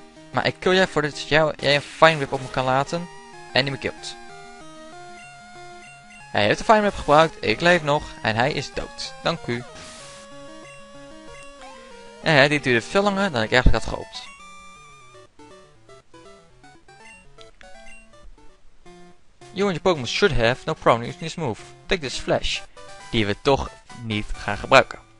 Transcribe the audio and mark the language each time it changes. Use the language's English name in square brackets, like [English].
[Dutch] Maar ik kill jij voordat jij een Fine Whip op me kan laten. En die me killt. Hij heeft de Fine Whip gebruikt, ik leef nog en hij is dood. Dank u. En dit duurde veel langer dan ik eigenlijk had gehoopt. [English] You and your Pokémon should have no problem using this move. Take this flash. [Dutch] Die we toch niet gaan gebruiken.